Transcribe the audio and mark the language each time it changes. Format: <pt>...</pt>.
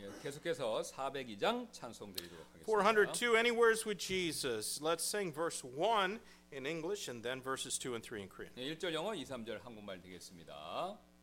<ko>계속해서 402장 찬송 드리도록 하겠습니다.</ko> <en>402, Any Words with Jesus. Let's sing verse 1 in English and then verses 2 and 3 in Korean.</en> <ko>1절 영어, 2, 3절 한국말 되겠습니다.</ko>